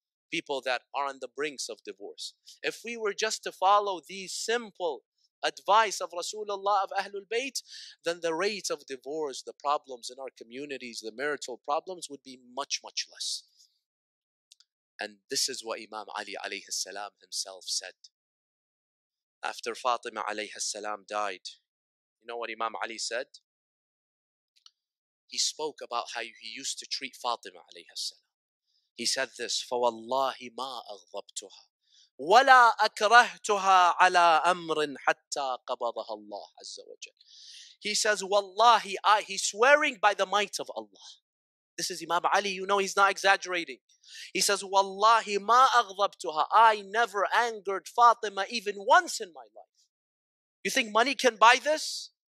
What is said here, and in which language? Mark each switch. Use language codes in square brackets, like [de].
[en] People that are on the brinks of divorce. If we were just to follow the simple advice of Rasulullah of Ahlul Bayt, then the rate of divorce, the problems in our communities, the marital problems would be much, much less. And this is what Imam Ali alayhi salam himself said. After Fatima alayhi salam died, you know what Imam Ali said? He spoke about how he used to treat Fatima alayhi salam. He said this, [ar] فَوَاللَّهِ مَا أَغْضَبْتُهَا وَلَا أَكْرَهْتُهَا عَلَىٰ أَمْرٍ حَتَّى قَبَضَهَا اللَّهُ عَزَّ وَجَلَّ. [en] He says, wallahi, he's swearing by the might of Allah. This is Imam Ali, you know he's not exaggerating. He says, wallahi, [ar] مَا أَغْضَبْتُهَا. [en] I never angered Fatima even once in my life. You think money can buy this?